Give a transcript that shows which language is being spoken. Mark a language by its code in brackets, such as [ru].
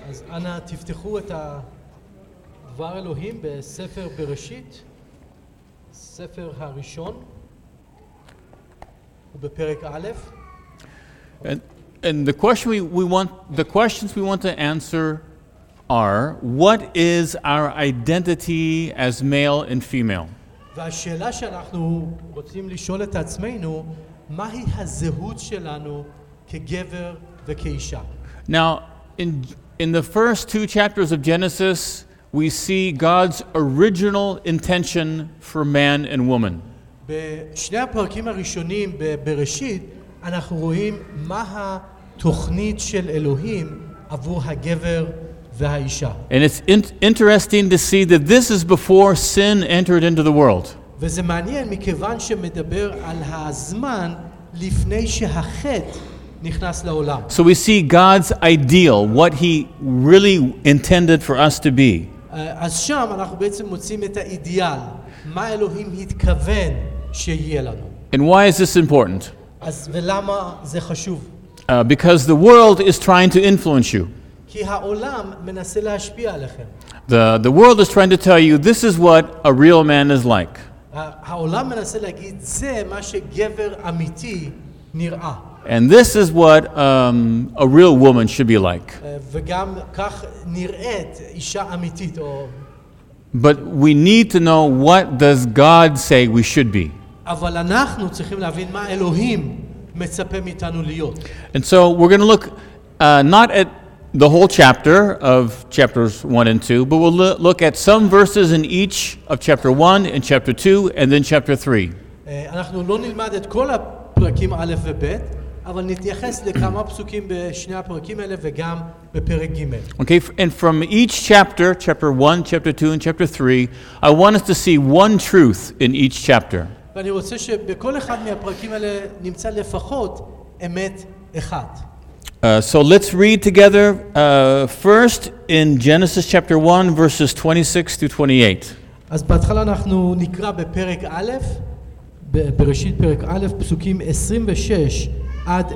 [he] אז אנא תפתחו את דבר אלוהים בספר בראשית, ספר הראשון, ובפרק א'. [en] And the questions we want to answer are, what is our identity as male and female? [he] והשאלה שאנחנו רוצים לשאול את עצמנו, מהי הזהות שלנו כגבר וכאישה? [en] Now, in the first two chapters of Genesis, we see God's original intention for man and woman. [he] בשני הפרקים הראשונים בבראשית, אנחנו רואים מה תוכנית של אלוהים עבור הגבר והאישה. [en] And it's interesting to see that this is before sin entered into the world. [he] וזה מעניין מכיוון שמדבר על הזמן לפני שהחטא נכנס לעולם. [en] So we see God's ideal, what he really intended for us to be. [he] אז שם אנחנו בעצם מוצאים את האידיאל, מה אלוהים התכוון שיהיה לנו. [en] And why is this important? [he] אז ולמה זה חשוב? [en] Because the world is trying to influence you. [he] כי העולם מנסה להשפיע עליכם. [en] The world is trying to tell you this is what a real man is like. [he] העולם מנסה להגיד זה מה שגבר אמיתי נראה. [en] And this is what a real woman should be like. [he] וגם כך נראית אישה אמיתית או. [en] But we need to know what does God say we should be. [he] אבל אנחנו צריכים להבין מה אלוהים מצפה מאיתנו להיות. [en] And so we're going to look not at the whole chapter of chapters 1 and 2, but we'll look at some verses in each of chapter 1 and chapter 2 and then chapter 3. [he] אנחנו לא נלמד את כל הפרקים א' וב', אבל נתייחס לכמה פסוקים בשני הפרקים האלה וגם בפרק ג'. [en] Okay, and from each chapter, chapter 1, chapter 2 and chapter 3, I want us to see one truth in each chapter. [he] ואני רוצה שבכל אחד מהפרקים האלה נמצא לפחות אמת אחת. [en] So let's read together first in Genesis chapter 1 verses 26-28. [he] אז בהתחלה אנחנו נקרא בפרק א', בראשית פרק א', פסוקים 26-28.